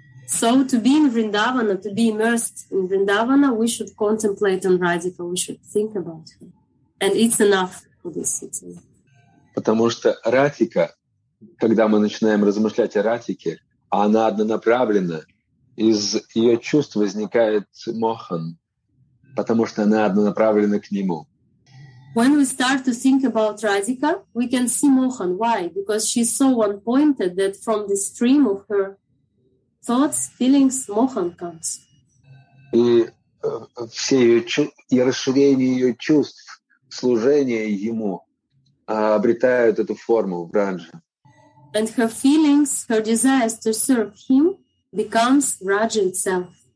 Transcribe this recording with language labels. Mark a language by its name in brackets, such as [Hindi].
[English] So to be in Vrindavana, to be immersed in Vrindavana, we should contemplate on Radhika, we should think about her. And it's enough for this situation. [Russian] Потому что Радхика, когда мы начинаем размышлять о Радхике, она однонаправленна, из ее чувств возникает мохан, потому что она однонаправлена к нему. [English] When we start to think about Radhika, we can see mohan. Why? Because she's so one-pointed that from the stream of her thoughts, feelings, mohan comes. [Russian] И все ее и расширение ее чувств, служение ему обретают эту форму в Радже. [English] And her feelings, her desires to serve him becomes Raja itself.